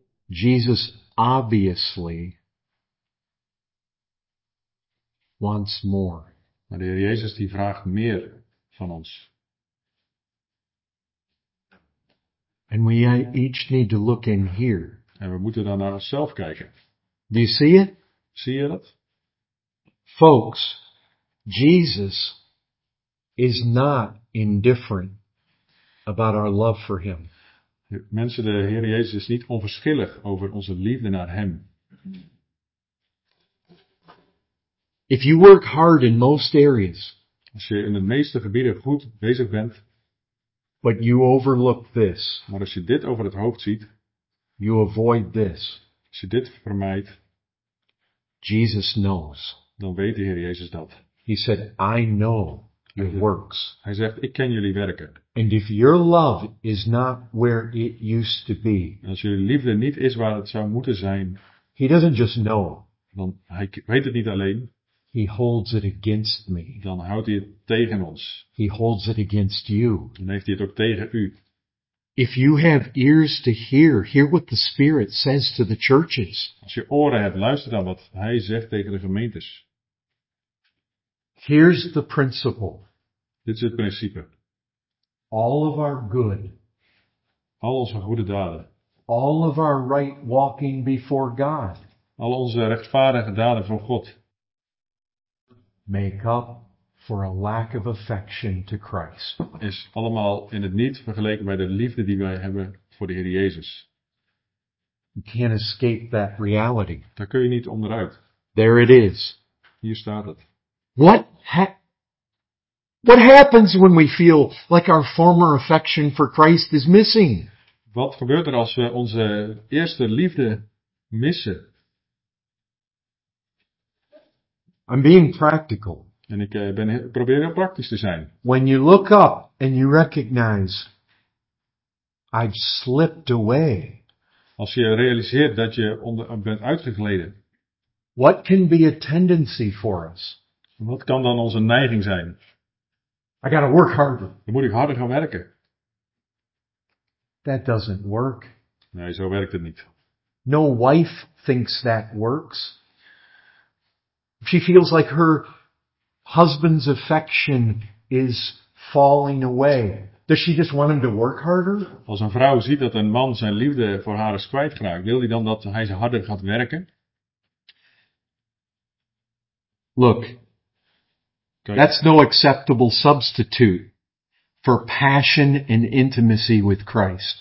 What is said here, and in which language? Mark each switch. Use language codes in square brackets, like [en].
[en] Jesus obviously wants more. [nl] Maar de Heer Jezus die vraagt meer van ons. [en] And we each need to look in here. [nl] En we moeten dan naar onszelf kijken. [en] Do you see it? [nl] Zie je dat? [en] Folks, Jesus is not indifferent about our love for him. [nl] Mensen, de Heer Jezus is niet onverschillig over onze liefde naar hem. [en] If you work hard in most areas. [nl] Als je in de meeste gebieden goed bezig bent. [en] But you overlook this. [nl] Maar als je dit over het hoofd ziet. [en] You avoid this. [nl] Als je dit vermijdt. [en] Jesus knows. [nl] Dan weet de Heer Jezus dat. [en] He said, I know. your works. [nl] Hij zegt, ik ken jullie werken. [en] And if your love is not where it used to be. [nl] Als jullie liefde niet is waar het zou moeten zijn. [en] He doesn't just know. [nl] Dan hij weet het niet alleen. [en] He holds it against me. [nl] Dan houdt hij het tegen ons. [en] He holds it against you. [nl] Dan heeft hij het ook tegen u. [en] If you have ears to hear, hear what the Spirit says to the churches. [nl] Als je oren hebt, luister dan wat hij zegt tegen de gemeentes. [en] Here's the principle. [nl] Dit is het principe. [en] All of our good. [nl] Al onze goede daden. [en] All of our right walking before God. [nl] Al onze rechtvaardige daden voor God. [en] Make up for a lack of affection to Christ. [nl] Is allemaal in het niet vergeleken bij de liefde die wij hebben voor de Heer Jezus. [en] You can't escape that reality. [nl] Daar kun je niet onderuit. [en] There it is. [nl] Hier staat het. [en] What happens when we feel like our former affection for Christ is missing? [nl] Wat gebeurt er als we onze eerste liefde missen? [en] I'm being practical. [nl] En ik probeer heel praktisch te zijn. [en] When you look up and you recognize, I've slipped away. [nl] Als je realiseert dat je bent uitgegleden. [en] What can be a tendency for us? [nl] Wat kan dan onze neiging zijn? [en] I gotta work harder. [nl] Dan moet ik harder gaan werken. [en] That doesn't work. [nl] Nee, zo werkt het niet. [en] No wife thinks that works. She feels like her husband's affection is falling away. Does she just want him to work harder? [nl] Als een vrouw ziet dat een man zijn liefde voor haar is kwijtgeraakt, wil hij dan dat hij ze harder gaat werken? [en] Look, that's no acceptable substitute for passion and intimacy with Christ.